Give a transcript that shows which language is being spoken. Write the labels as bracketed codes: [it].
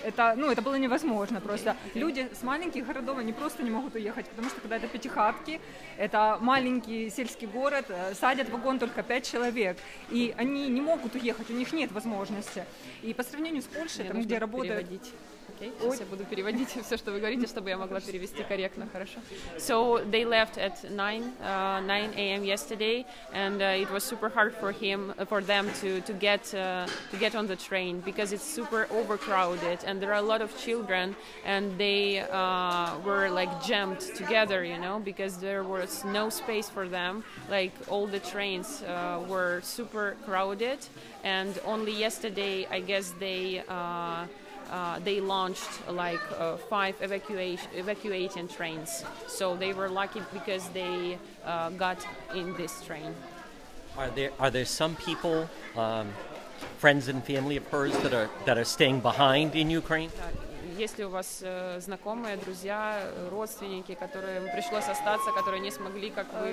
[ru] Это было невозможно просто. Люди с маленьких городов, они просто не могут уехать, потому что когда это пятихатки, это маленький сельский город, садят вагон только 5 человек, и они не могут уехать, у них нет возможности. И по сравнению с Польшей, мне там, где работают... Переводить. Okay. Сейчас я буду переводить все, что вы говорите, чтобы я могла перевести корректно, хорошо? [en] So they left at 9 a.m. yesterday, and it was super hard for them to get on the train because it's super overcrowded and there are a lot of children and they were like jammed together, you know, because there was no space for them. Like all the trains were super crowded, and only yesterday I guess they launched like 5 evacuating trains, so they were lucky because they got in this train. Are there some people, friends and family of hers that are staying behind in Ukraine? [ru] Если у вас знакомые, друзья, родственники, которым пришлось остаться, которые не смогли, как вы?